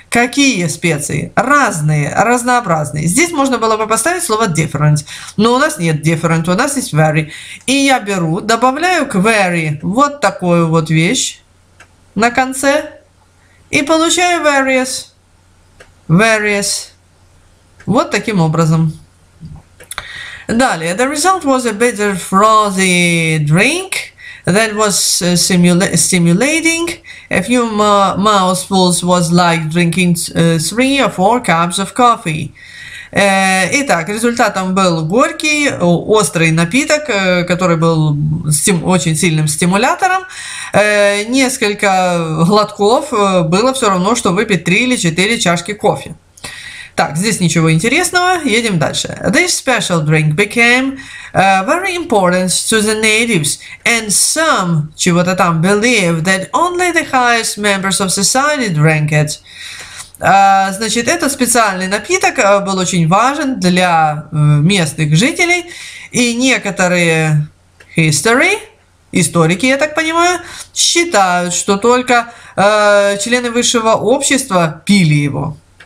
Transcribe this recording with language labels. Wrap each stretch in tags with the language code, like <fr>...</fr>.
<ru>Какие специи? Разные, разнообразные. Здесь можно было бы поставить слово different, но у нас нет different, у нас есть very. И я беру, добавляю к very вот такую вот вещь на конце и получаю various. Various. Вот таким образом.</ru> <en>Далее. The result was a bitter frothy drink. That was stimulating. A few mouthfuls was like drinking three or four cups of coffee.</en> <ru>Итак, результатом был горький, острый напиток, который был очень сильным стимулятором. Несколько глотков было все равно, что выпить три или четыре чашки кофе. Так, здесь ничего интересного. Едем дальше.</ru> <en>This special drink became very important to the natives, and some</en> <ru>чего-то там</ru> <en>believe that only the highest members of society drank it.</en> <ru>Значит, этот специальный напиток был очень важен для местных жителей, и некоторые history, историки, я так понимаю, считают, что только члены высшего общества пили его.</ru>